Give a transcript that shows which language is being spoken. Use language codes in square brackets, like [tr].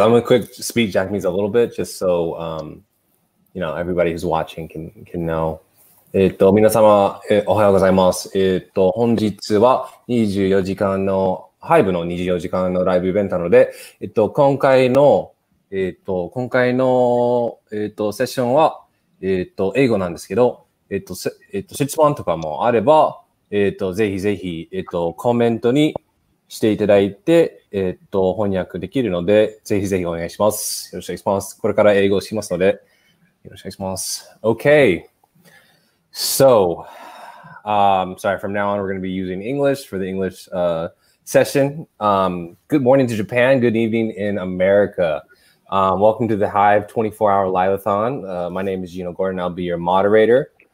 [en] I'm going to quick speak Japanese a little bit just so, everybody who's watching can know. [ja] 皆様、おはようございます。本日は24時間の、ハイブの24時間のライブイベントなので、今回の、今回の、セッションは、英語なんですけど、質問とかもあれば、ぜひぜひ、コメントにしていただいて、翻訳できるので、ぜひぜひお願いします。よろしくお願いします。これから英語をしますので、よろしくお願いします。 [en] Okay. So, sorry, from now on, we're going to be using English for the English, session. Good morning to Japan. Good evening in America. Welcome to the Hive 24-hour Live-a-thon. My name is Gino Gordon. I'll be your moderator.